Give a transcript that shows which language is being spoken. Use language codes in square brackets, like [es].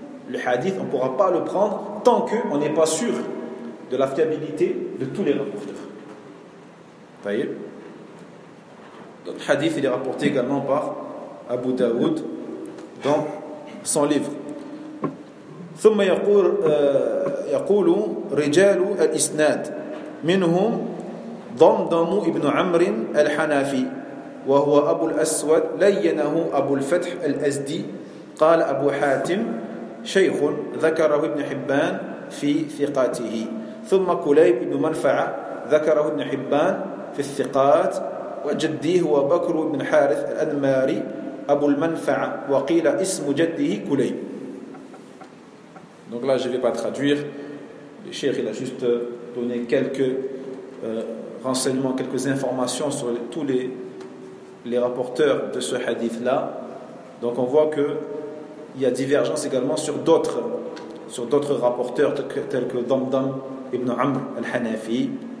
[fr] Le hadith, on ne pourra pas le prendre tant qu'on n'est pas sûr de la fiabilité de tous les rapporteurs. Taïeb. Donc, le hadith, il est rapporté également par Abu Daoud dans son livre. [ar] ثم يقول رجال الإسناد منهم ضمضم ابن عمر الحنافي وهو أبو الأسود لينه أبو الفتح الأزدي قال أبو حاتم شيخ ذكره ابن حبان في ثقاته ثم كليب بن منفعة ذكره ابن حبان في الثقات وجدي هو بكر بن حارث الأدماري أبو المنفعة وقيل اسم جده كليب. [fr] Donc là je ne vais pas traduire, le cheikh il a juste donné quelques renseignements, quelques informations sur tous les rapporteurs de ce hadith là. Donc on voit que il y a divergence également sur d'autres rapporteurs tels que Damdam ibn Amr al-Hanafi,